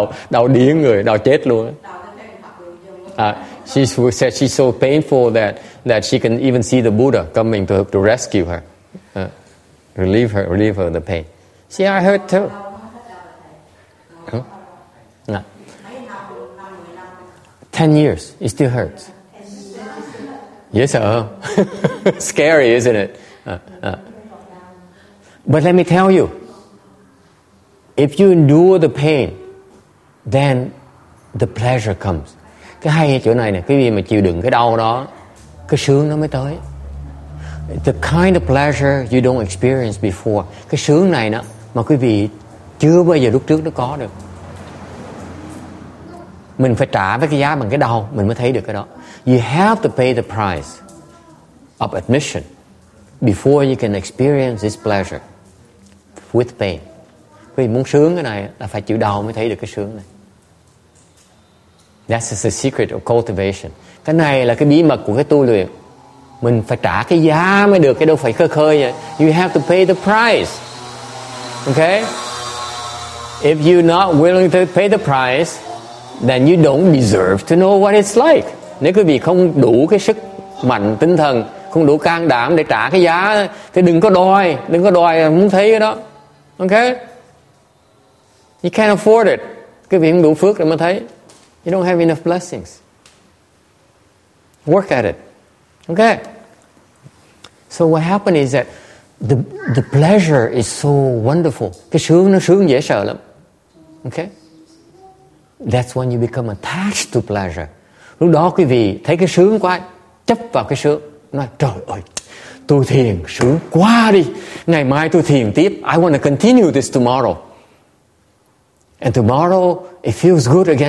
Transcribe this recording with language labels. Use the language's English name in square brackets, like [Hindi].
[Vietnamese] đau điên người, đau chết luôn. [English] She said she's so painful that she can even see the Buddha coming to rescue her. Relieve her the pain. See, I heard too. No. 10 years, it still hurts. Yes, sir. Scary, isn't it? But let me tell you, if you endure the pain, then the pleasure comes. [Vietnamese] Cái hay ở chỗ này nè, cái gì mà chịu đựng cái đau đó, cái sướng nó mới tới. [English] The kind of pleasure you don't experience before. [Vietnamese] Cái sướng này nè, mà quý vị chưa bao giờ lúc trước nó có được. Mình phải trả với cái giá bằng cái đau, mình mới thấy được cái đó. [English] You have to pay the price of admission before you can experience this pleasure with pain. [Vietnamese] Quý vị muốn sướng cái này là phải chịu đau mới thấy được cái sướng này. [English] That's the secret of cultivation. [Vietnamese] Cái này là cái bí mật của cái tu luyện. Mình phải trả cái giá mới được, cái đâu phải khơi khơi vậy. [English] You have to pay the price. Okay? If you're not willing to pay the price, then you don't deserve to know what it's like. [Vietnamese] Nếu quý vị không đủ cái sức mạnh tinh thần, không đủ can đảm để trả cái giá, thì đừng có đòi muốn thấy cái đó. Okay? [English] You can't afford it. [Vietnamese] Quý vị không đủ phước để mà thấy. [English] You don't have enough blessings. Work at it. Okay. So what happened is that the pleasure is so wonderful. [Vietnamese] Cái sướng nó sướng dễ sợ lắm. [English] Okay. That's when you become attached to pleasure. [Vietnamese] Lúc đó quý vị thấy cái sướng quá, chấp vào cái sướng. Nói trời ơi, tôi thiền sướng quá đi. Ngày mai tôi thiền tiếp. [English] I want to continue this tomorrow. And tomorrow, it feels good again.